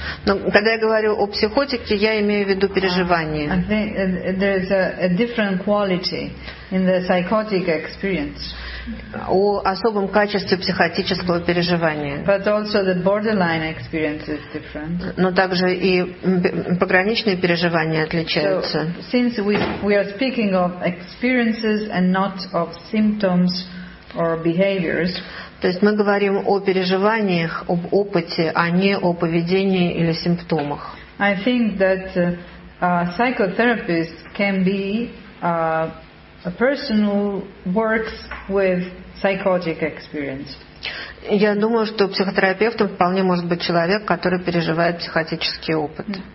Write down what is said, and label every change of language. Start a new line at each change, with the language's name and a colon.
Russian: Но когда я говорю о психотике, я имею в виду переживание.
English: There is a different quality in the psychotic experience.
Russian: О особом качестве психотического переживания.
English: But also the borderline experience is different.
Russian: Но также и пограничные переживания отличаются.
English: So, since we are speaking of experiences and not of symptoms or behaviors.
Russian: То есть мы говорим о переживаниях, об опыте, а не о поведении или симптомах.
English: I think that a psychotherapist can be a person who works with psychotic experience.
Russian: Я думаю, что психотерапевтом вполне может быть человек, который переживает психотический опыт.